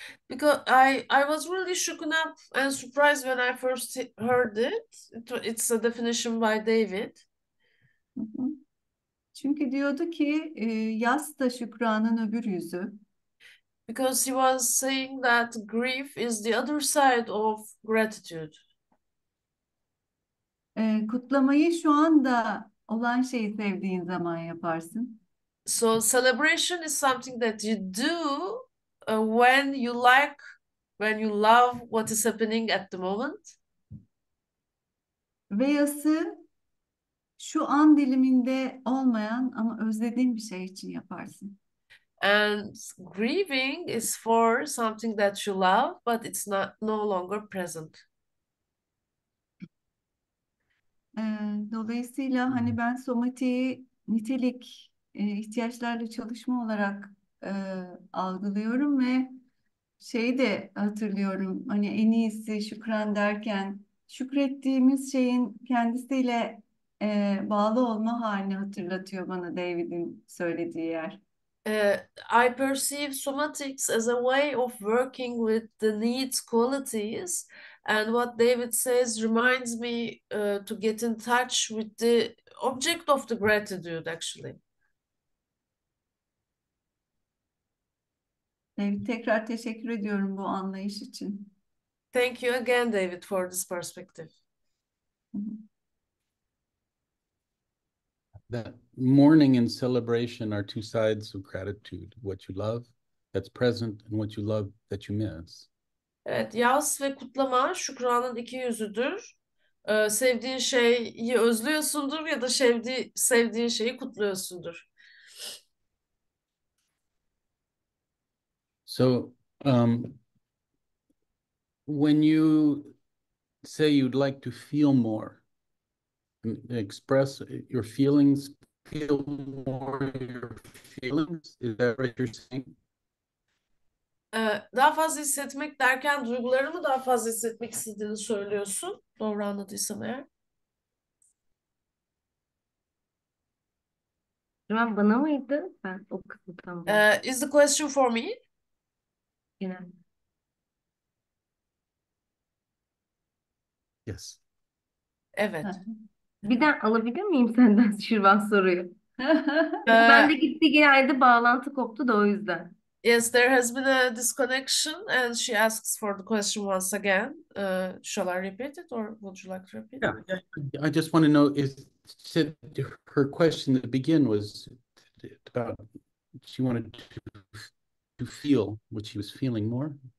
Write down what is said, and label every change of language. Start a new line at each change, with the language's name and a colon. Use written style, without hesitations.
English: Because I was really shooken up and surprised when I first heard it. It's a definition by David.
Turkish: Çünkü diyordu ki yas da şükranın öbür yüzü.
English: Because he was saying that grief is the other side of gratitude.
Turkish: Kutlamayı şu anda olan şeyi sevdiğin zaman yaparsın.
English: So celebration is something that you do when you like, when you love what is happening at the moment.
Turkish: Ve yası şu an diliminde olmayan ama özlediğin bir şey için yaparsın.
English: And grieving is for something that you love, but it's not no longer present.
Turkish: Dolayısıyla hani ben somatiği nitelik ihtiyaçlarla çalışma olarak algılıyorum ve şeyi de hatırlıyorum. Hani en iyisi şükran derken şükrettiğimiz şeyin kendisiyle bağlı olma halini hatırlatıyor bana David'in söylediği yer.
English: I perceive somatics as a way of working with the needs qualities. And what David says reminds me to get in touch with the object of the gratitude, actually.
Turkish: David, tekrar teşekkür ediyorum bu anlayış için.
English: Thank you again, David, for this perspective. That mourning and celebration are two sides of gratitude. What you love, that's present, and what you love, that you miss.
Turkish: Evet, yas ve kutlama şükranın iki yüzüdür. Sevdiğin şeyi özlüyorsundur ya da sevdiğin şeyi kutluyorsundur.
English: So, when you say you'd like to feel more, express your feelings, feel more your feelings, is that what you're saying?
Turkish: Daha fazla hissetmek derken duygularımı daha fazla hissetmek istediğini söylüyorsun. Doğru anladıysam eğer. Ben bana mıydı? Ben o kısmı tam.
English: Is the question for me?
Turkish: Yine.
English: Yes.
Turkish: Evet. Bir de alabilir miyim senden Şirvan soruyu? Ben de gitti geldi, bağlantı koptu da o yüzden.
English: Yes, there has been a disconnection, and she asks for the question once again. Shall I repeat it, or would you like to repeat it? Yeah, I just want to know, is said her question to begin was about she wanted to feel what she was feeling more.